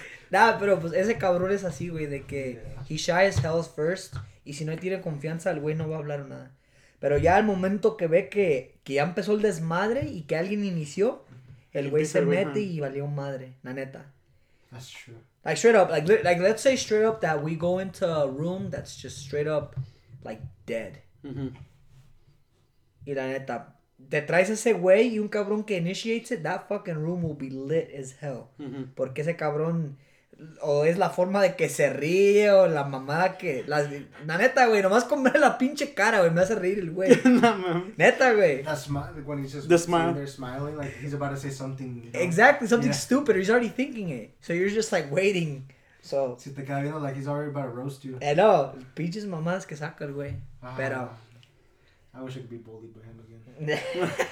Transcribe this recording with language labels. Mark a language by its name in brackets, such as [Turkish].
[Spanish] Nah, pero pues ese cabrón es así, güey, de que [English] he's shy as hell first. [Spanish] Y si no tiene confianza, el güey no va a hablar nada. Pero ya al momento que ve que ya empezó el desmadre y que alguien inició, el güey se mete y valió madre, la neta. [English] That's true. Like, straight up, like let's say straight up that we go into a room that's just straight up, like, dead. [Spanish] Mm-hmm. Y la neta, te traes ese güey y un cabrón que [English] initiates it, that fucking room will be lit as hell. [Spanish] Mm-hmm. Porque ese cabrón... O es la forma de que se ríe, o la mamada que... La neta, güey, nomás con ver la pinche cara, güey, me hace reír el güey. Neta, güey. [English] That smile, when he's just sitting there smiling, like, he's about to say something. You know? Exactly, something stupid, he's already thinking it. So you're just, like, waiting, so... [Spanish] Si te queda viendo, [English] like, he's already about to roast you. [Spanish] No, pinches mamadas que saca el güey, pero... [English] I wish I could be bullied by him again.